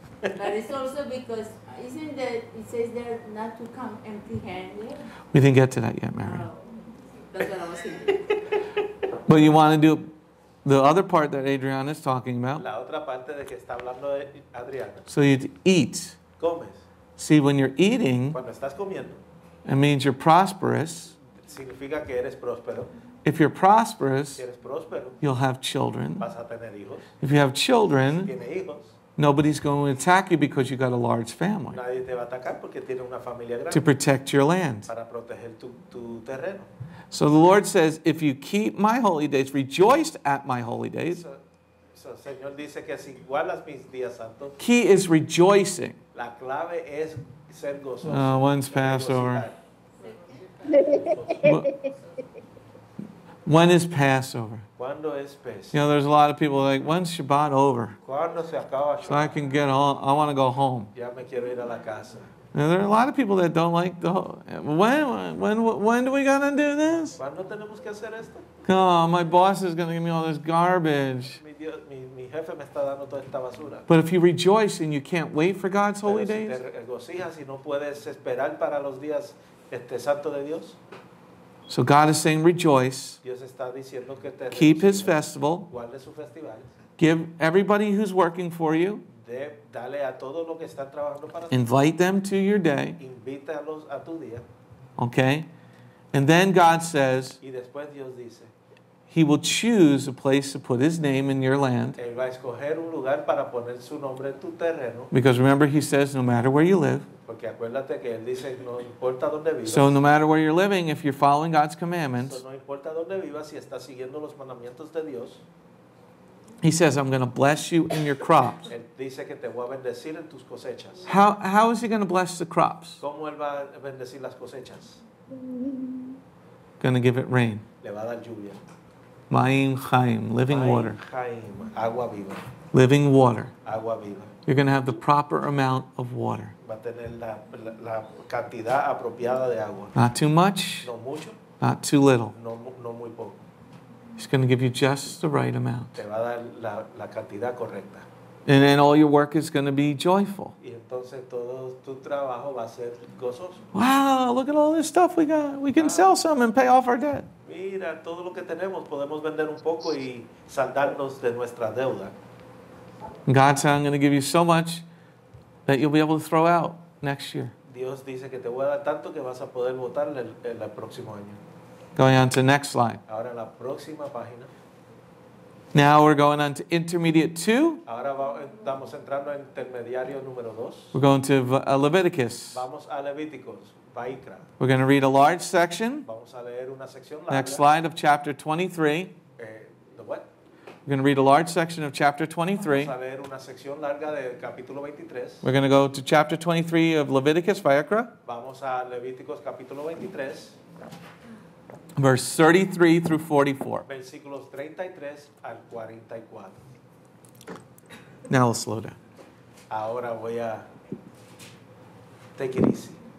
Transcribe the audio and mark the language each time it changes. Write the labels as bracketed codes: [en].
[en] But it's also because, isn't that it says there not to come empty-handed? We didn't get to that yet, Mary. Oh, that's what I was thinking. But you want to do the other part that Adriana is talking about. [es] La otra parte de que está hablando Adriana. [en] So you eat. [es] Comes. [en] See, when you're eating, [es] cuando estás comiendo, [en] it means you're prosperous. [es] Significa que eres próspero. [en] If you're prosperous, [es] próspero, [en] you'll have children. [es] Vas a tener hijos. [en] If you have children, [es] hijos, [en] nobody's going to attack you because you've got a large family. [es] Nadie te va a atacar porque tiene una familia grande, [en] to protect your land. [es] Para proteger tu terreno. [en] So the Lord says, if you keep my holy days, rejoice at my holy days. [es] So Señor dice que si igualas mis días santos, [en] key is rejoicing. [es] La clave es ser gozoso. [en] One's Passover. When is Passover? [es] ¿Cuándo es Pesach? [en] You know, there's a lot of people like, when's Shabbat over? [es] ¿Cuándo se acaba Shabbat? [en] So I can get home. I want to go home. [es] Ya me quiero ir a la casa. [en] Now, there are a lot of people that don't like the whole, when do we got to do this? [es] ¿Cuándo tenemos que hacer esto? [en] Oh, my boss is going to give me all this garbage. [es] Mi jefe me está dando toda esta basura. [en] But if you rejoice and you can't wait for God's [es] pero [en] holy [es] si [en] days, [es] te regocijas y no puedes esperar para los días santo de Dios. [en] So God is saying, rejoice, [es] Dios está diciendo que te [en] keep his festival, [es] guarde su festival, [en] give everybody who's working for you, [es] dale a todo lo que está trabajando para [en] invite [es] ti. [en] Them to your day, [es] invítalos a tu día. [en] Okay? And then God says, [es] y después Dios dice, [en] he will choose a place to put his name in your land, [es] él va a escoger un lugar para poner su nombre en tu terreno, [en] because remember he says, no matter where you live, [es] porque acuérdate que él dice, no importa dónde vivas. [en] So no matter where you're living, if you're following God's commandments, [es] so no importa dónde vivas, si estás siguiendo los mandamientos de Dios, [en] he says, I'm going to bless you in your crops. [es] Él dice que te voy a bendecir en tus cosechas. [en] How is he going to bless the crops? [es] ¿Cómo él va a bendecir las cosechas? [en] Going to give it rain. [es] Le va a dar lluvia. [en] Maim Chaim, living [he] Maim [en] water. [es] Chaim, agua viva. [en] Living water. [es] Agua viva. [en] You're going to have the proper amount of water. [es] Va a tener la cantidad apropiada de agua. [en] Not too much. [es] No mucho. [en] Not too little. [es] No muy poco. [en] He's going to give you just the right amount. [es] Te va a dar la cantidad correcta. [en] And then all your work is going to be joyful. [es] Y entonces todo tu trabajo va a ser gozoso. [en] Wow, look at all this stuff we got. We can sell some and pay off our debt. [es] Mira, todo lo que tenemos, podemos vender un poco y saldarnos de nuestra deuda. [en] God said, I'm going to give you so much that you'll be able to throw out next year. [es] Dios dice que te voy a dar tanto que vas a poder botar el próximo año. [en] Going on to the next slide. [es] Ahora la próxima página. [en] Now we're going on to intermediate 2. [es] Ahora estamos entrando en intermediario número 2. [en] We're going to Leviticus. [es] Vamos a Levíticos. [en] We're going to read a large section. [es] Vamos a leer una sección larga. [en] Next slide of chapter 23. The what? We're going to read a large section of chapter 23. [es] Vamos a leer una sección larga del capítulo 23. [en] We're going to go to chapter 23 of Leviticus, Miqra. [es] Vamos a Levíticos capítulo 23. [en] Verse 33 through 44. [es] Versículos 33 al 44. [en] Now we'll slow down. [es] Ahora voy a [en] take it easy.